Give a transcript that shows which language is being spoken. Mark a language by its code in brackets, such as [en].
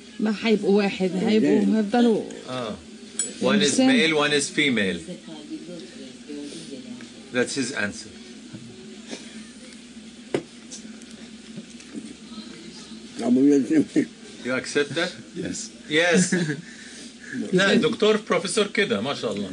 [ar] ما هيبقوا واحد هيبقوا هيفضلوا [en] one is male one is female that's his answer You accept that? Yes. Yes. [ar] لا دكتور بروفيسور كده ما شاء الله.